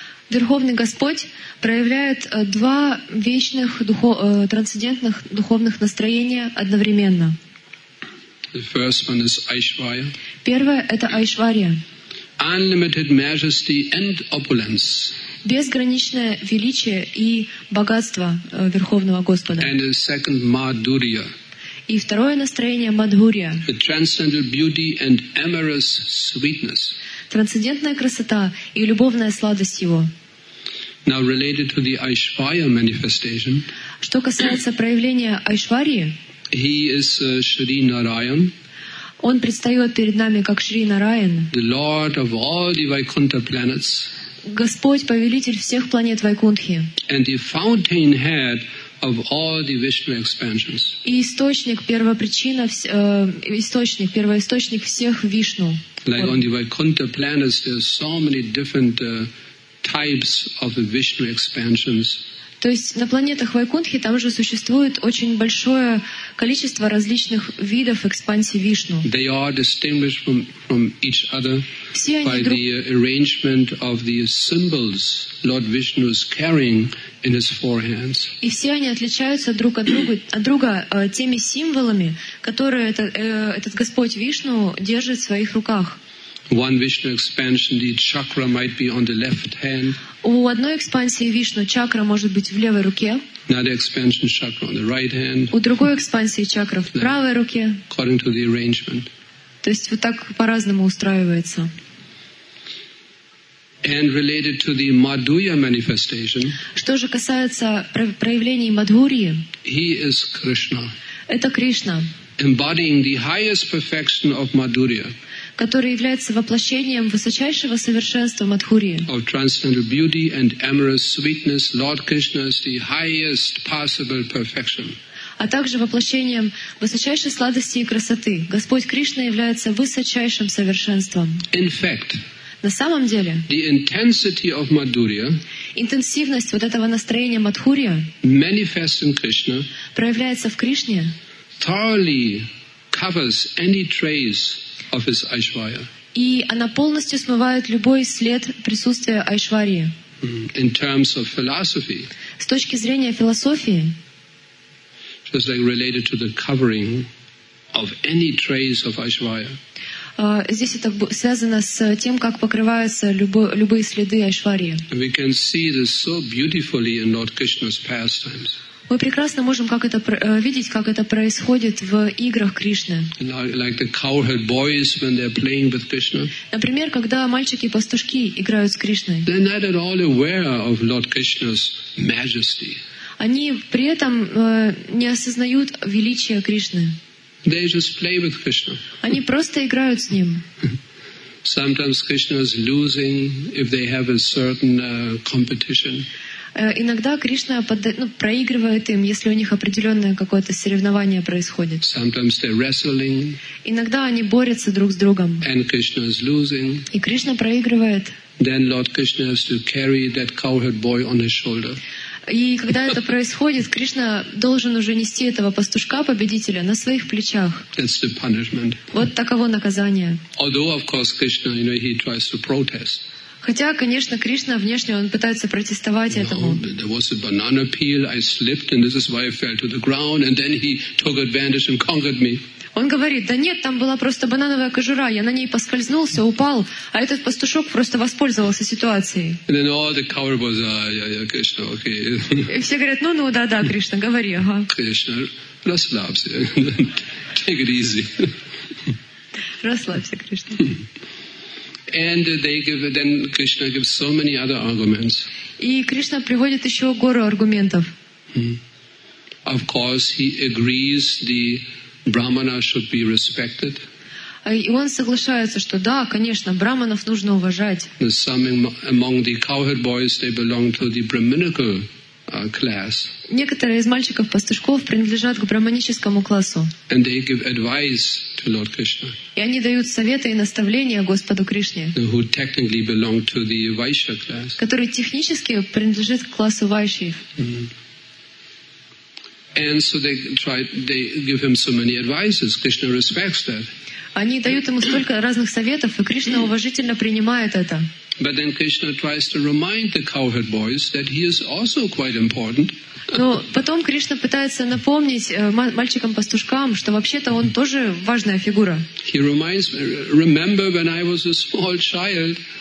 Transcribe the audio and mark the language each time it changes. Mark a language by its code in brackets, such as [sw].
[ru] Верховный Господь проявляет два вечных трансцендентных духовных настроения одновременно. [en] The first one is Aishwarya. [ru] Первое это Айшвария. [en] Unlimited majesty and opulence. [ru] безграничное величие и богатство Верховного Господа. [en] And the second Madhurya. [ru] И второе настроение Мадхурья. [en] The transcendental beauty and amorous sweetness. [ru] Трансцендентная красота и любовная сладость его. [en] Now related to the Aishvarya manifestation. [ru] Что касается проявления Айшварьи. [en] He is Shri Narayan. [ru] Он предстает перед нами как Шри Нараян. [en] The Lord of all the Vaikuntha planets. [ru] Господь повелитель всех планет Вайкунтхи. [en] And the fountainhead of all the Vishnu expansions. [ru] И источник первопричина, источник первоисточник всех Вишну. [en] Like on the Vaikuntha planets, there are so many different types of Vishnu expansions. [ru] То есть на планетах Вайкунтхи там же существует очень большое количество различных видов экспансии Вишну. [en] They are distinguished from each other [ru] Все они [en] by [ru] друг... [en] the arrangement of the symbols Lord Vishnu is carrying in his four hands. [ru] И все они отличаются друг от друга, теми символами, которые этот Господь Вишну держит в своих руках. [en] One Vishnu expansion, the chakra might be on the left hand. [ru] У одной экспансии Вишну чакра может быть в левой руке. [en] Another expansion chakra on the right hand. [ru] У другой экспансии чакра в правой руке. [en] According to the arrangement. [ru] То есть вот так по-разному устраивается. [en] And related to the Madhurya manifestation. [ru] Что же касается проявлений Мадхурьи. [en] He is Krishna. [ru] Это Кришна. [en] Embodying the highest perfection of Madhurya. [ru] Который является воплощением высочайшего совершенства Мадхурии. [en] Of transcendental beauty and amorous sweetness, Lord Krishna is the highest possible perfection. [ru] А также воплощением высочайшей сладости и красоты. Господь Кришна является высочайшим совершенством. [en] In fact, [ru] на самом деле, [en] the intensity of Madhurya, [ru] интенсивность вот этого настроения Мадхурия, [en] manifests in Krishna, [ru] проявляется в Кришне, [en] thoroughly covers any trace of his Aishvarya. [ru] И она полностью смывает любой след присутствия Айшварьи. [en] In terms of philosophy. [ru] С точки зрения философии. [en] Just like related to the covering of any trace of Aishvarya. [ru] Здесь это связано с тем, как покрываются любые следы Айшварьи. [en] We can see this so beautifully in Lord Krishna's pastimes. [ru] Мы прекрасно можем как это видеть, как это происходит в играх Кришны. [en] Like the cowherd boys when they're playing with Krishna. [ru] Например, когда мальчики-пастушки играют с Кришной. [en] They're not at all aware of Lord Krishna's majesty. [ru] Они при этом не осознают величия Кришны. [en] They just play with Krishna. [ru] Они просто играют с ним. [en] Sometimes Krishna is losing if they have a certain competition. [ru] Иногда Кришна проигрывает им, если у них определенное какое-то соревнование происходит. [en] Sometimes they're wrestling. [ru] Иногда они борются друг с другом. [en] And Krishna is losing. [ru] И Кришна проигрывает. [en] Then Lord Krishna has to carry that cowherd boy on his shoulder. [ru] И когда это происходит, Кришна должен уже нести этого пастушка-победителя на своих плечах. [en] That's the punishment. [ru] Вот таково наказание. [en] Although, of course, Krishna, you know, he tries to protest. [ru] Хотя, конечно, Кришна внешне он пытается протестовать этому. [en] There was a banana peel, I slipped, and this is why I fell to the ground, and then he took advantage and conquered me. [ru] Он говорит, да нет, там была просто банановая кожура, я на ней поскользнулся, упал, а этот пастушок просто воспользовался ситуацией. [en] And then all the cowboys, yeah, Krishna, okay. [ru] И все говорят, да, Кришна, говори, ага. [en] Krishna, [ru] расслабься, [en] take it easy. [ru] Расслабься, Кришна. [en] And they give, then Krishna gives so many other arguments. [ru] И Кришна приводит еще гору аргументов. [en] Of course, he agrees the brahmana should be respected. [ru] И он соглашается, что да, конечно, браманов нужно уважать. [en] Some among the cowherd boys, they belong to the brahminical class. [ru] Некоторые из мальчиков-пастушков принадлежат к брахманическому классу. [en] And they give advice to Lord Krishna. [ru] И они дают советы и наставления Господу Кришне. [en] Who technically belong to the Vaishya class. [ru] Который технически принадлежит к классу Вайши. [en] And so they give him so many advices. Krishna respects that. [ru] Они дают ему столько разных советов, и Кришна уважительно принимает это. [en] But then Krishna tries to remind the cowherd boys that he is also quite important. [ru] Но потом Кришна пытается напомнить мальчикам-пастушкам, что вообще-то он тоже важная фигура. [en] He reminds me, remember when I was a small child,